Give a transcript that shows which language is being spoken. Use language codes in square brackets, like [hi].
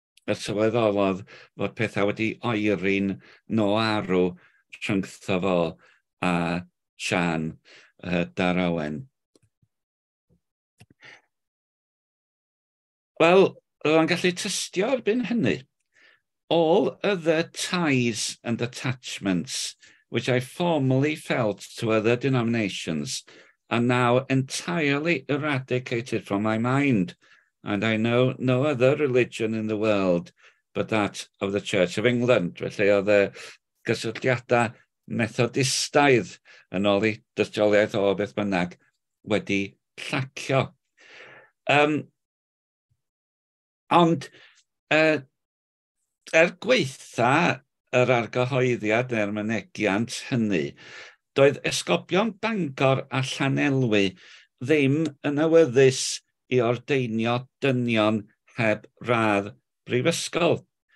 [cy] y sylweddolodd fod pethau wedi oeri'n noarw rhyngtho fo a Siôn, Dar Owen. Wel, roedd yn gallu tystio erbyn hynny. [en] All other ties and attachments which I formerly felt to other denominations are now entirely eradicated from my mind, and I know no other religion in the world but that of the Church of England. [cy] Felly oedd y gysylltiadau methodistaidd yn ôl i dystioliaeth o beth bynnag wedi llacio. Ond er gweitha yr argyhoeddiad neu'r mynegiant hynny, doedd esgobion Bangor a Llanelwy ddim yn awyddus i ordeinio dynion heb radd brifysgol.